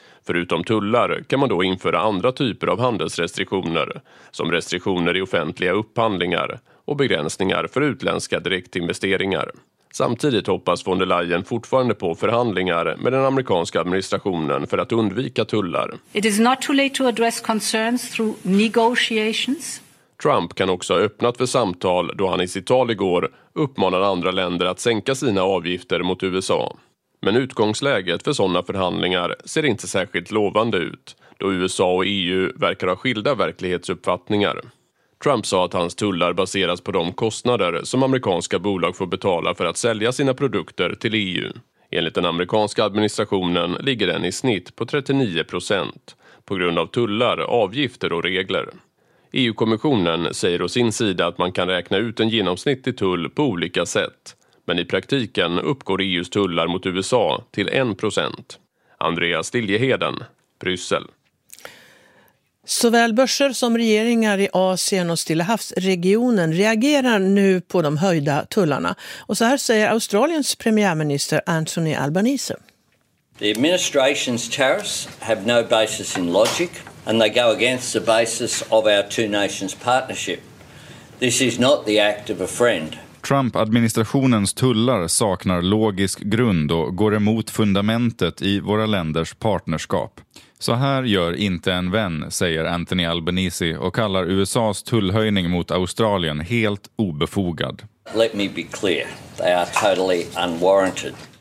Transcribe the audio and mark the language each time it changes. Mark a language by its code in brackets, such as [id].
[sv] Förutom tullar kan man då införa andra typer av handelsrestriktioner, som restriktioner i offentliga upphandlingar och begränsningar för utländska direktinvesteringar. Samtidigt hoppas von der Leyen fortfarande på förhandlingar med den amerikanska administrationen för att undvika tullar. [en] It is not too late to address concerns through negotiations. [sv] Trump kan också ha öppnat för samtal då han i sitt tal igår uppmanade andra länder att sänka sina avgifter mot USA. Men utgångsläget för sådana förhandlingar ser inte särskilt lovande ut, då USA och EU verkar ha skilda verklighetsuppfattningar. Trump sa att hans tullar baseras på de kostnader som amerikanska bolag får betala för att sälja sina produkter till EU. Enligt den amerikanska administrationen ligger den i snitt på 39% på grund av tullar, avgifter och regler. EU-kommissionen säger å sin sida att man kan räkna ut en genomsnittlig tull på olika sätt. Men i praktiken uppgår EUs tullar mot USA till 1%. Andreas Liljeheden, Bryssel. Såväl börser som regeringar i Asien och Stilla havsregionen reagerar nu på de höjda tullarna. Och så här säger Australiens premiärminister Anthony Albanese. [en] The administration's tariffs have no basis in logic and they go against the basis of our two nations partnership. This is not the act of a friend. [sv] Trump-administrationens tullar saknar logisk grund och går emot fundamentet i våra länders partnerskap. Så här gör inte en vän, säger Anthony Albanese och kallar USA:s tullhöjning mot Australien helt obefogad. [en] Let me be clear. They are totally unwarranted.